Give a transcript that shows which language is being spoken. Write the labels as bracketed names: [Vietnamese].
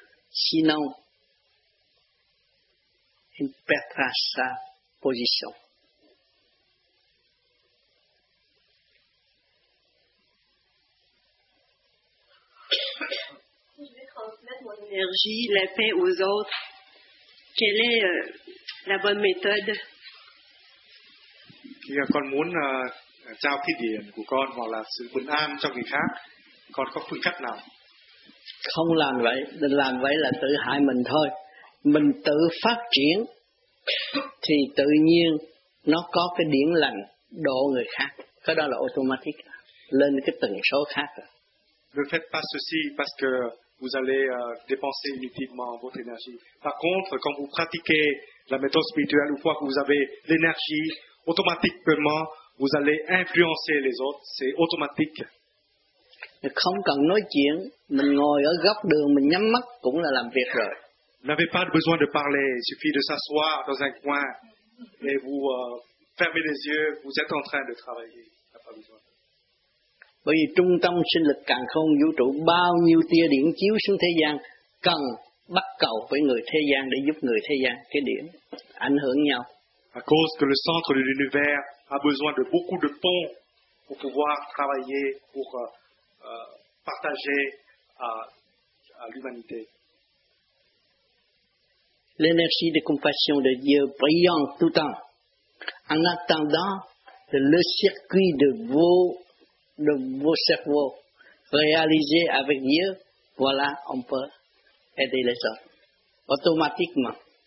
[French] Sinon, il perdra sa position. Si je vais transmettre mon énergie, la paix aux autres, quelle est la bonne méthode? [Vietnamese] Khi con muốn trao cái điện của con hoặc là sự bình an cho người khác, con có phương cách nào? Không làm vậy, làm vậy là tự hại mình thôi. Mình tự phát triển thì tự nhiên nó có cái điển lành độ người khác. Cái đó là automatic, lên cái tần số khác. [French] Ne faites pas ceci parce que vous allez dépenser inutilement votre énergie. Par contre, quand vous pratiquez la méthode spirituelle, une fois que vous avez l'énergie, automatiquement, vous allez influencer les autres. C'est automatique. [Vietnamese] Không cần nói chuyện, mình ngồi ở góc đường, mình nhắm mắt cũng là làm việc rồi. [French] Vous n'avez pas besoin de parler. Il suffit de s'asseoir dans un coin et vous fermez les yeux. Vous êtes en train de travailler. Il n'y a pas besoin. [Vietnamese] Bởi vì trung tâm sinh lực càng không vũ trụ, bao nhiêu tia điện chiếu xuống thế gian, cần bắt cầu với người thế gian để giúp người thế gian cái điểm ảnh hưởng nhau. [French] À cause que le centre de l'univers a besoin de beaucoup de ponts pour pouvoir travailler, pour partager à l'humanité. L'énergie de compassion de Dieu brillant tout le temps, en attendant que le circuit de vos cerveaux réalisés avec Dieu, voilà, on peut aider les autres automatiquement.